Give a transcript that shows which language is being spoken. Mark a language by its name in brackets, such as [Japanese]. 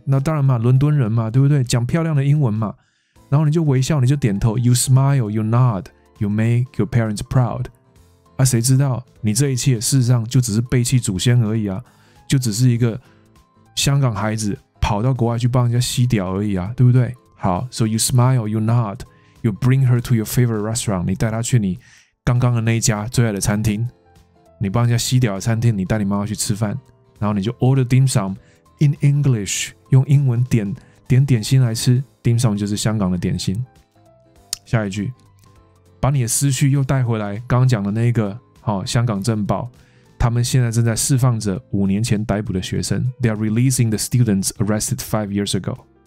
[Chinese] 那当然嘛，伦敦人嘛，对不对？讲漂亮的英文嘛，然后你就微笑，你就点头 ， [English] You smile, you nod, you make your parents proud。 [Chinese] 啊，谁知道你这一切事实上就只是背弃祖先而已啊，就只是一个香港孩子。跑到国外去帮人家洗屌而已啊，对不对？ [English] 好 ，so you smile, you nod, you bring her to your favorite restaurant. [Chinese] 你带她去你刚刚的那一家最爱的餐厅，你帮人家洗屌的餐厅，你带你妈妈去吃饭，然后你就 [English] order dim sum in English， [Chinese] 用英文点点心来吃。 dim sum 就是香港的点心。下一句，把你的思绪又带回来，刚刚讲的那个，好、哦，香港政报。他们现在正在释放着五年前逮捕的学生。 [English] They are releasing the students arrested 5 years ago。